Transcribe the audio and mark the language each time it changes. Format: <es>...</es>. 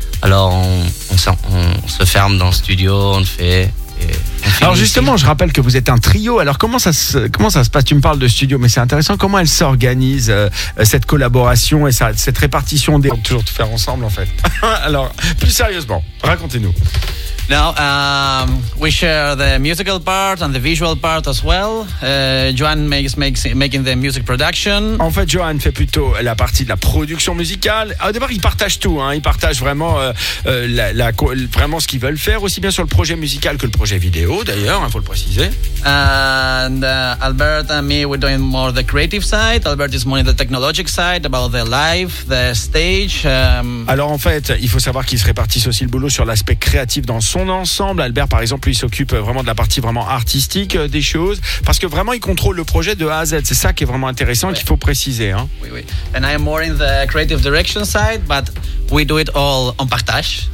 <fr>Alors on se ferme dans le studio, on le fait, Alors justement, je rappelle que vous êtes un trio. Alors comment ça se passe? Tu me parles de studio, mais c'est intéressant. Comment elle s'organise cette collaboration et cette répartition des... On toujours tout faire ensemble en fait. Alors plus sérieusement, racontez-nous.</fr> <en>Now we share the musical part and the visual part as well. Joanne making the music production.</en> <fr>En fait, Joanne fait plutôt la partie de la production musicale. Au départ, ils partagent tout. Hein. Ils partagent vraiment vraiment ce qu'ils veulent faire, aussi bien sur le projet musical que le projet vidéo. D'ailleurs, hein, faut le préciser.</fr> <en>And Albert and me, we're doing more the creative side. Albert is more in the technological side about the live, the stage.</en> <fr>Alors en fait, il faut savoir qu'ils se répartissent aussi le boulot sur l'aspect créatif dans son ensemble. Albert, par exemple, lui, il s'occupe vraiment de la partie vraiment artistique des choses, parce que vraiment, il contrôle le projet de A à Z. C'est ça qui est vraiment intéressant, qu'il faut préciser. Hein. Oui, oui.</fr> <en>And I am more in the creative direction side, but we do it all</en> <fr>en partage.</fr>